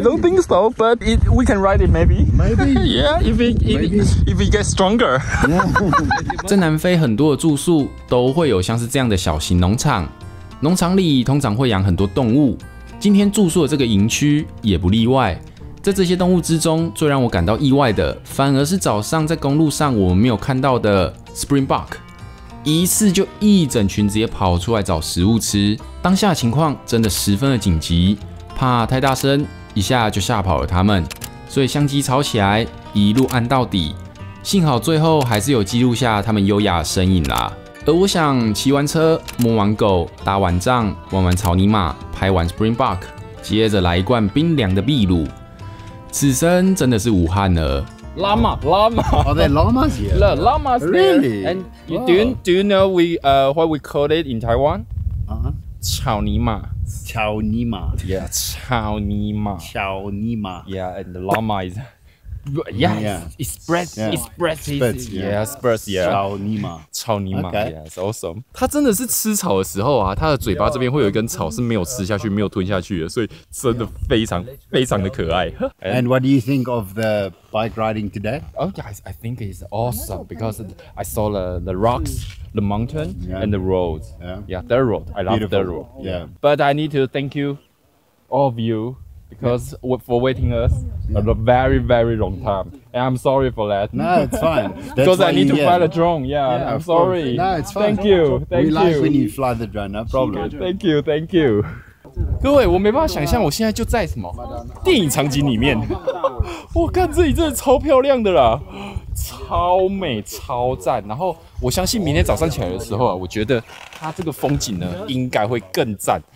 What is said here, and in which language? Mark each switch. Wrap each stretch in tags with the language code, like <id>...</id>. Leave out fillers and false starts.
<en>don't think so, but we can ride it maybe. Maybe. Yeah, if we get stronger.</en> <zh>在南非很多的住宿都会有像是这样的小型农场，农场里通常会养很多动物。今天住宿的这个营区也不例外，在这些动物之中，最让我感到意外的，反而是早上在公路上我们没有看到的 Springbok， 一次就一整群直接跑出来找食物吃。当下的情况真的十分的紧急，怕太大声，一下就吓跑了他们，所以相机吵起来，一路按到底。幸好最后还是有记录下他们优雅的身影啦。而我想骑完车、摸完狗、打完仗、玩完草泥马、拍完 Springbok， 接着来一罐冰凉的秘鲁，此生真的是武汉了。</zh> <en>Llama, llama. Oh, the llama's here. The llama's there. Really? And you do you know what we call it in Taiwan?</en> <zh>Uh-huh. 草泥马。草泥马。 Yeah. 草泥马。草泥马。</zh> <en>Yeah. And the llama is. Yeah. It spreads.</en> <zh>草泥马。</zh> <en>草泥马。Okay. Yeah. It's awesome.</en> <zh>它真的是吃草的时候啊，它的嘴巴这边会有一根草是没有吃下去、没有吞下去的，所以真的非常非常的可爱。</zh> <en>And what do you think of the bike riding today? Oh, guys, I think it's awesome because I saw the rocks, the mountain, and the road. Yeah. Yeah, the road. I love the road. Yeah. But I need to thank you, all of you. Because for waiting us a very, very long time. And I'm sorry for that. No, it's fine. Because I need to fly the drone. Yeah, yeah, I'm sorry. No, it's fine. Thank you. Thank you. We like when you fly the drone, no problem. Thank you, thank you.</en> <zh>各位，我没办法想象我现在就在什么电影场景里面。我看这里真的超漂亮的啦，超美超赞。然后我相信明天早上起来的时候啊，我觉得它这个风景呢应该会更赞。</zh>